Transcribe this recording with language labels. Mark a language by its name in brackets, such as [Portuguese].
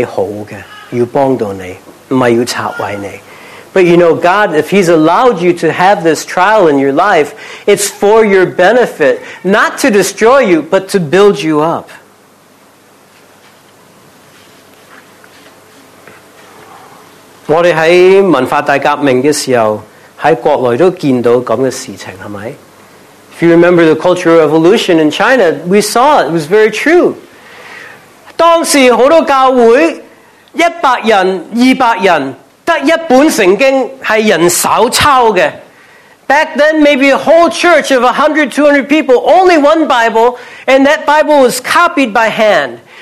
[Chinese] 你说不是牧师，这么离谱。但是神是容许你经历这些试炼，是为你好的，要帮助你，不是要责怪你。 [English] But you know, God, if He's allowed you to have this trial in your life, it's for your benefit, not to destroy you, but to build you up. [Chinese] 我们在文化大革命的时候，在国内都见到这样的事情，是不是？ [English] If you remember the Cultural Revolution in China, we saw it. It was very true. [Chinese] 当时很多教会，100人、200人， 只有一本圣经是人手抄的。 [English] Back then, maybe a whole church of 100, 200 people, only one Bible, and that Bible was copied by hand.